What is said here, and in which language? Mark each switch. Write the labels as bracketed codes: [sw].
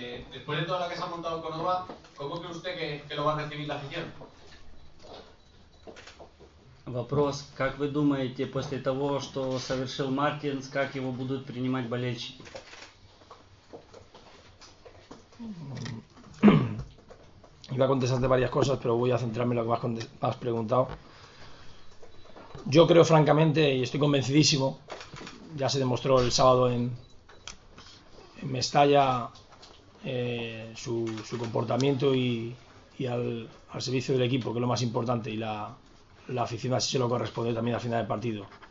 [es] Después de todo lo que se ha montado con Oba, ¿cómo cree usted que lo va a recibir la afición? [ru] Вопрос, как вы думаете, после того, что совершил Мартинс, как его будут принимать болельщики? [es] Iba a contestarte varias cosas, pero voy a centrarme en lo que más preguntado. Yo creo francamente, y estoy convencidísimo, ya se demostró el sábado en Mestalla, su comportamiento y al servicio del equipo, que es lo más importante, y la afición así se lo corresponde también al final del partido.